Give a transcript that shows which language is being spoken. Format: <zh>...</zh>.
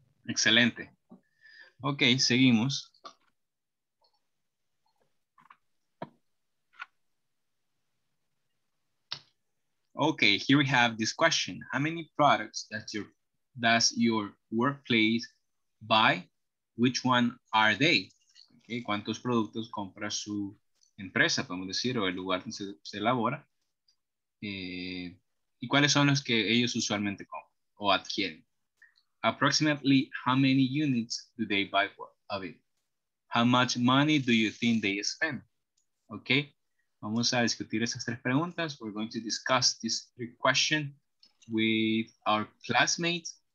<es>Excelente. Okay, seguimos.</es> <en>Okay, here we have this question. How many products does your workplace buy, which one are they?</en> <es>Okay, ¿cuántos productos compra su empresa, podemos decir, o el lugar donde se elabora? ¿Y cuáles son los que ellos usualmente compran o adquieren?</es> <en>Approximately how many units do they buy for of it? How much money do you think they spend? Okay,</en> <es>vamos a discutir esas tres preguntas.</es> <en>We're going to discuss this three question with our classmates.</en>